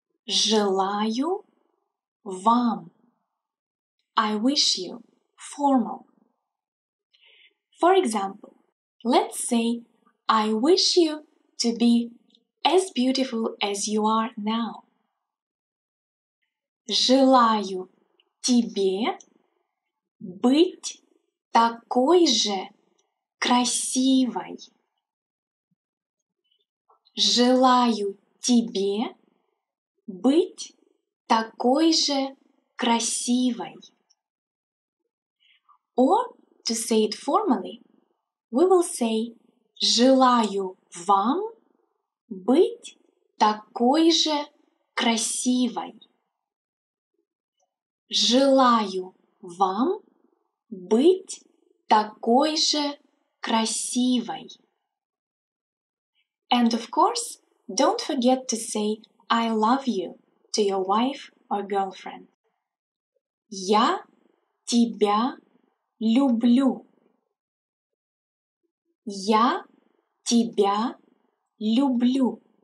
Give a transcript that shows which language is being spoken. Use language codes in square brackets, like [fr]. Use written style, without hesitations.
[ru] Желаю вам. [en] I wish you. [ru] Формал. [en] For example, let's say I wish you to be as beautiful as you are now. [ru] Желаю тебе быть такой же красивой. Желаю тебе быть такой же красивой. [en] Or, to say it formally, we will say [ru] Желаю вам быть такой же красивой. Желаю вам быть такой же красивой. [en] And of course, don't forget to say I love you to your wife or girlfriend. [ru] Я тебя люблю. Я тебя люблю.